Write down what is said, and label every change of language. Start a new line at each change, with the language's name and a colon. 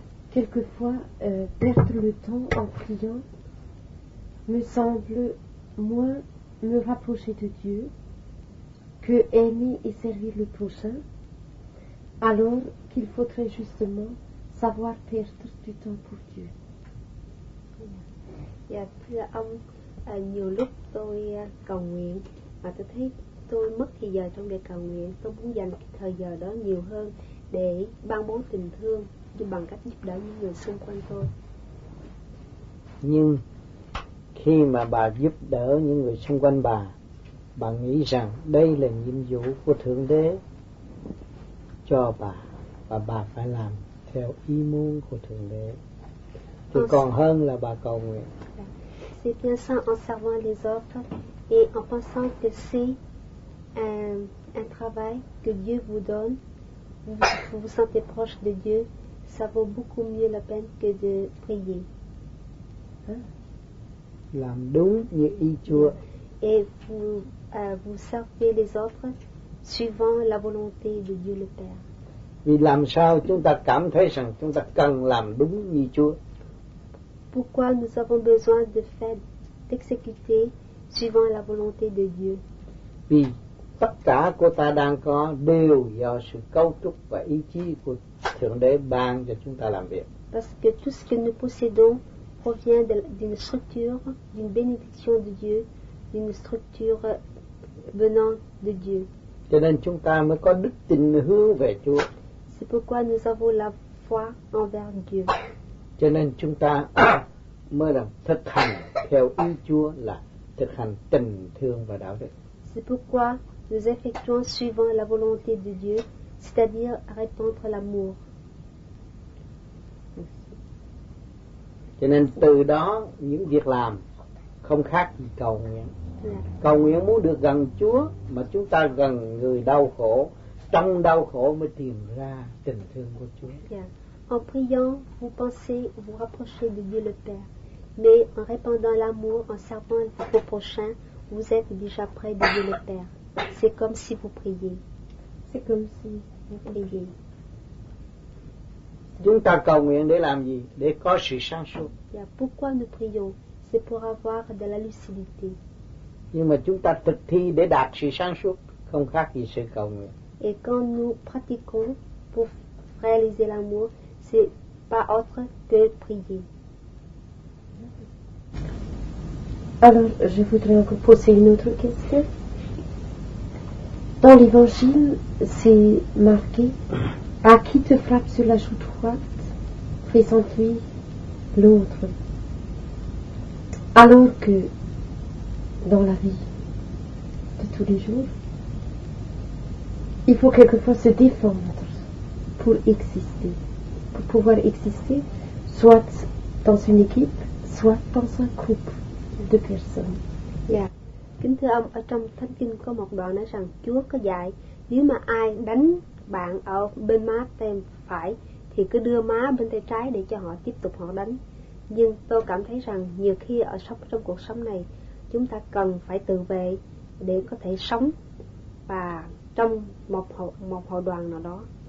French: Quelquefois, perdre le temps en priant me semble moins me rapprocher de Dieu que aimer et servir le prochain, alors qu'il faudrait justement savoir perdre du temps pour Dieu.
Vietnamese: Dạ, thưa ông, nhiều lúc tôi cầu nguyện mà tôi thấy tôi mất thời giờ trong đề cầu nguyện. Tôi muốn dành thời giờ đó nhiều hơn để ban bố tình thương như bằng cách giúp đỡ những người xung quanh tôi. Nhưng khi mà bà giúp đỡ những người xung quanh bà, bà nghĩ rằng đây là nhiệm vụ của Thượng Đế cho bà, và bà phải làm theo ý muốn của Thượng Đế, thì còn hơn là bà cầu nguyện.
French: C'est bien ça, en servant les autres et en pensant que c'est un travail que Dieu vous donne, vous vous sentez proche de Dieu, ça vaut beaucoup mieux la peine que de prier.
Vietnamese: Làm đúng như ý Chúa.
French: Et vous servez les autres suivant la volonté de Dieu le Père.
Vietnamese: Vì làm sao chúng ta cảm thấy rằng chúng ta cần làm đúng như Chúa?
French: Pourquoi nous avons besoin de faire, d'exécuter suivant la volonté de Dieu?
Vietnamese: Vì tất cả của ta đang có đều do sự cấu trúc và ý chí của Thượng Đế ban cho chúng ta làm việc.
French: Parce que tout ce que nous possédons provient d'une structure, d'une bénédiction de Dieu, d'une structure venant de Dieu.
Vietnamese: Cho nên chúng ta mới có đức tin hướng về Chúa.
French: C'est pourquoi nous avons la foi envers Dieu.
Vietnamese: Cho nên chúng ta mới là thực hành theo ý Chúa là thực hành tình thương và đạo đức.
French: C'est pourquoi nous effectuons suivant la volonté de Dieu, c'est-à-dire répandre l'amour.
Vietnamese: Cho nên từ đó những việc làm không khác gì cầu nguyện. Cầu nguyện muốn được gần Chúa, mà chúng ta gần người đau khổ, trong đau khổ mới tìm ra tình thương của Chúa.
French: En priant, vous pensez vous rapprocher de Dieu le Père, mais en répandant l'amour, en servant vos prochains, vous êtes déjà près de Dieu le Père. C'est comme si vous priez. C'est comme si vous priez.
Vietnamese: Chúng ta cầu nguyện để làm gì? Để có sự sáng suốt.
French: Yeah. Pourquoi nous prions? C'est pour avoir de la lucidité.
Vietnamese: Nhưng mà chúng ta thực thi để đạt sự sáng suốt, không khác gì sự cầu nguyện.
French: Et quand nous pratiquons pour réaliser l'amour, c'est pas autre que prier. Alors, je voudrais encore poser une autre question. Dans l'Évangile, c'est marqué « À qui te frappe sur la joue droite, présente-lui l'autre. » Alors que dans la vie de tous les jours, il faut quelquefois se défendre pour exister, pour pouvoir exister, soit dans une équipe, soit dans un groupe de personnes. Yeah.
Vietnamese: Kính thưa ông, ở trong Thánh Kinh có một đoạn nói rằng Chúa có dạy, nếu mà ai đánh bạn ở bên má bên phải thì cứ đưa má bên tay trái để cho họ tiếp tục họ đánh. Nhưng tôi cảm thấy rằng nhiều khi ở sống trong cuộc sống này, chúng ta cần phải tự vệ để có thể sống và trong một hội đoàn nào đó.